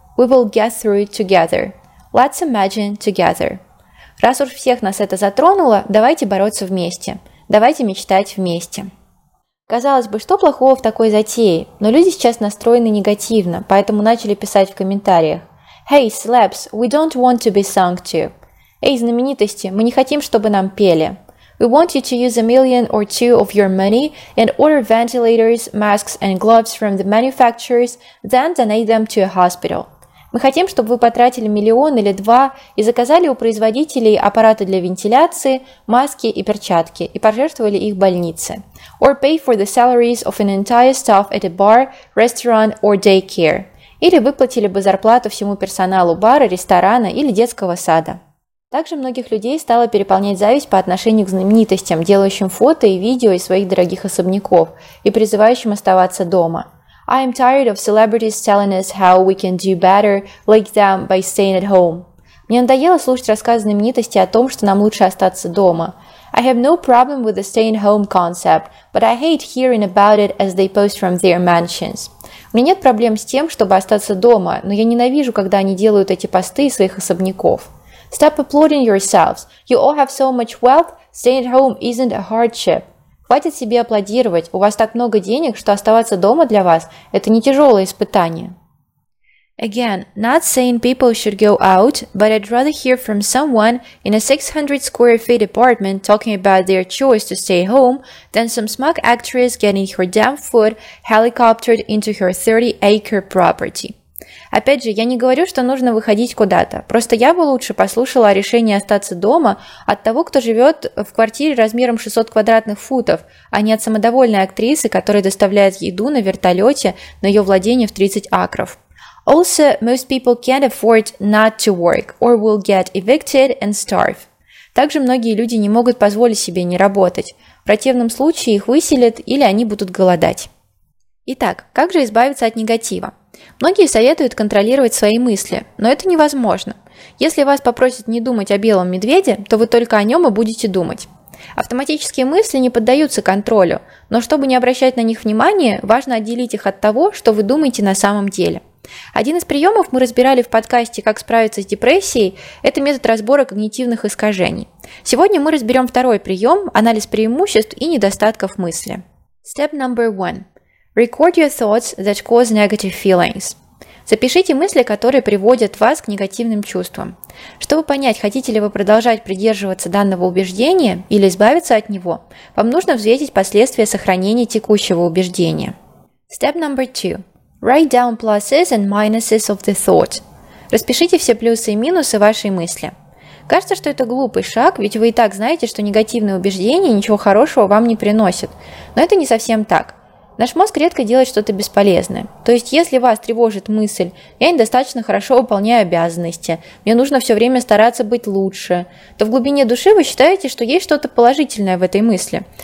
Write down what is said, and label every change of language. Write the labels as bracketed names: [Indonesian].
[English] We will get through it together. Let's imagine together». [Russian] Раз уж всех нас это затронуло, давайте бороться вместе. Давайте мечтать вместе. Казалось бы, что плохого в такой затее, но люди сейчас настроены негативно, поэтому начали писать в комментариях. [English] Hey, celebs, we don't want to be sung to. [Russian] Эй, знаменитости, мы не хотим, чтобы нам пели. [English] We want you to use a million or two of your money and order ventilators, masks and gloves from the manufacturers, then donate them to a hospital. [Russian] Мы хотим, чтобы вы потратили миллион или два и заказали у производителей аппараты для вентиляции, маски и перчатки и пожертвовали их больнице. [English] Or pay for the salaries of an entire staff at a bar, restaurant or daycare. [Russian] Или выплатили бы зарплату всему персоналу бара, ресторана или детского сада. Также многих людей стало переполнять зависть по отношению к знаменитостям, делающим фото и видео из своих дорогих особняков и призывающим оставаться дома. [English] I am tired of celebrities telling us how we can do better like them by staying at home. [Russian] Мне надоело слушать рассказы знаменитостей о том, что нам лучше остаться дома. [English] I have no problem with the staying home concept, but I hate hearing about it as they post from their mansions. [Russian] У меня нет проблем с тем, чтобы остаться дома, но я ненавижу, когда они делают эти посты из своих особняков. [English] Stop applauding yourselves. You all have so much wealth. Staying at home isn't a hardship. [Russian] Хватит себе аплодировать, у вас так много денег, что оставаться дома для вас – это не тяжелое испытание. [English] Again, not saying people should go out, but I'd rather hear from someone in a 600 square feet apartment talking about their choice to stay home, than some smug actress getting her damn foot helicoptered into her 30-acre property. [Russian] Опять же, я не говорю, что нужно выходить куда-то. Просто я бы лучше послушала о решении остаться дома от того, кто живет в квартире размером 600 квадратных футов, а не от самодовольной актрисы, которая доставляет еду на вертолете на ее владение в 30 акров. [English] Also, most people can't afford not to work or will get evicted and starve. [Russian] Также многие люди не могут позволить себе не работать. В противном случае их выселят или они будут голодать. Итак, как же избавиться от негатива? Многие советуют контролировать свои мысли, но это невозможно. Если вас попросят не думать о белом медведе, то вы только о нем и будете думать. Автоматические мысли не поддаются контролю, но чтобы не обращать на них внимания, важно отделить их от того, что вы думаете на самом деле. Один из приемов мы разбирали в подкасте «Как справиться с депрессией» – это метод разбора когнитивных искажений. Сегодня мы разберем второй прием – анализ преимуществ и недостатков мысли. [English] Step number one. Record your thoughts that cause negative feelings. [Russian] Запишите мысли, которые приводят вас к негативным чувствам. Чтобы понять, хотите ли вы продолжать придерживаться данного убеждения или избавиться от него, вам нужно взвесить последствия сохранения текущего убеждения. [English] Step number two. Write down pluses and minuses of the thought. [Russian] Распишите все плюсы и минусы вашей мысли. Кажется, что это глупый шаг, ведь вы и так знаете, что негативные убеждения ничего хорошего вам не приносят. Но это не совсем так. Наш мозг редко делает что-то бесполезное. То есть, если вас тревожит мысль «я недостаточно хорошо выполняю обязанности», «мне нужно все время стараться быть лучше», то в глубине души вы считаете, что есть что-то положительное в этой мысли.